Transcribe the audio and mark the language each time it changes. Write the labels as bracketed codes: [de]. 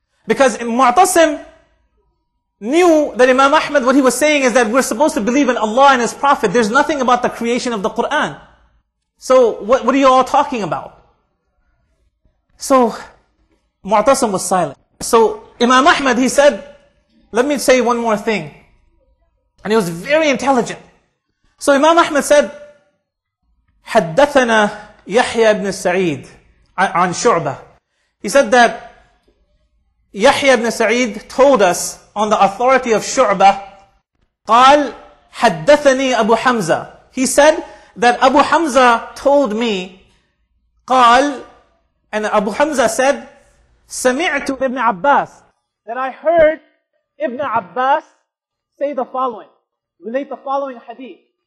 [en] Because Mu'tasim knew that Imam Ahmad, what he was saying is that we're supposed to believe in Allah and His Prophet. There's nothing about the creation of the Quran. So what are you all talking about? So Mu'tasim was silent. So Imam Ahmad, he said, let me say one more thing. And he was very intelligent. So Imam Ahmad said, [ar] حَدَّثَنَا يَحْيَى بْنِ السَّعِيدِ عَنْ شُعْبَةِ. [en] He said that Yahya ibn Sa'id told us on the authority of Shu'bah, [ar] قال حَدَّثَنِي أَبُو حَمْزَة. [en] He said that Abu Hamza told me, [ar] قال, [en] and Abu Hamza said, [ar] سَمِعْتُ [en] ibn Abbas, that I heard Ibn Abbas say the following, relate the following hadith.